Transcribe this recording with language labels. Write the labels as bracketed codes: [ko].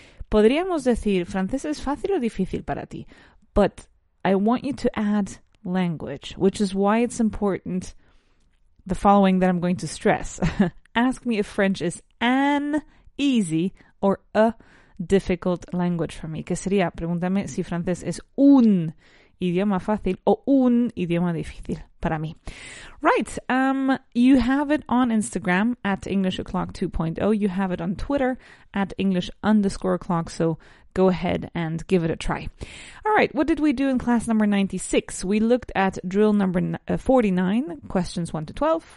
[es] Podríamos decir, ¿francés es fácil o difícil para ti? [en] But I want you to add language, which is why it's important, the following that I'm going to stress. Ask me if French is an easy or a difficult language for me. [es] ¿Qué sería? Pregúntame si francés es un idioma fácil o un idioma difícil para mí. [en] Right. You have it on Instagram at English O'Clock 2.0. You have it on Twitter at English _O'Clock. So go ahead and give it a try. All right. What did we do in class number 96? We looked at drill number 49, questions 1 to 12.